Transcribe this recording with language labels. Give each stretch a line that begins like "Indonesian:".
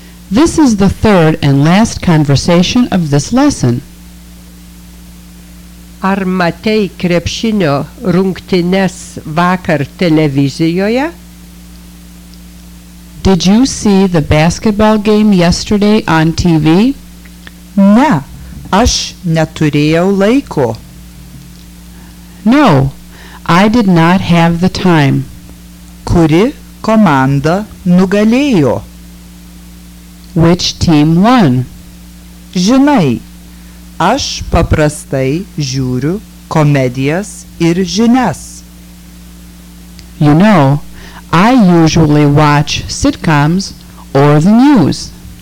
English: This is the third and last conversation of this lesson.
Lithuanian: Ar matei krepšinio rungtynes vakar televizijoje?
English: Did you see the basketball game yesterday on TV?
Lithuanian: Ne, aš neturėjau laiko.
English: No, I did not have the time.
Lithuanian: Kuri komanda nugalėjo?
English: Which team won?
Lithuanian: Žinai, aš paprastai žiūriu komedijas ir žinias.
English: You know, I usually watch sitcoms or the news.